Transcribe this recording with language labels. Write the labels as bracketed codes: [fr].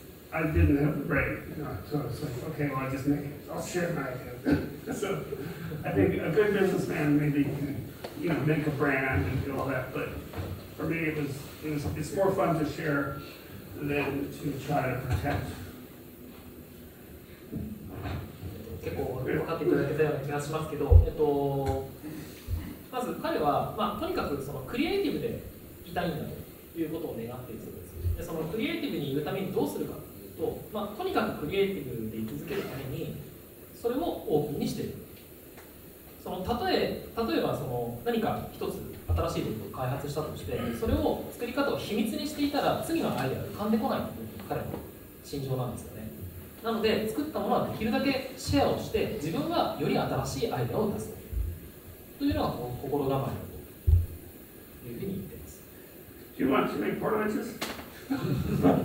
[en] I didn't have the brain, so it's like, okay, well, I'll share my idea. So, I think a good businessman maybe can, you know, make a brand and do all that, but for me it was it's more fun to share than to try to protect. [ja] 結構分かっていただけたような気がしますけど、まず彼は、まあ、とにかくそのクリエイティブでいたいんだということを願っているそうです。で、そのクリエイティブにいるためにどうするか。まあ、とにかくクリエイティブで位置づけるためにそれをオープンにしている。その例えばその何か一つ新しいことを開発したとして、それを作り方を秘密にしていたら次のアイデアが浮かんでこないというのが彼の心情なんですよね。なので作ったものはできるだけシェアをして、自分はより新しいアイデアを出すというのがこの心構えだというふうに言っています。 [en] Do you want to make part of this?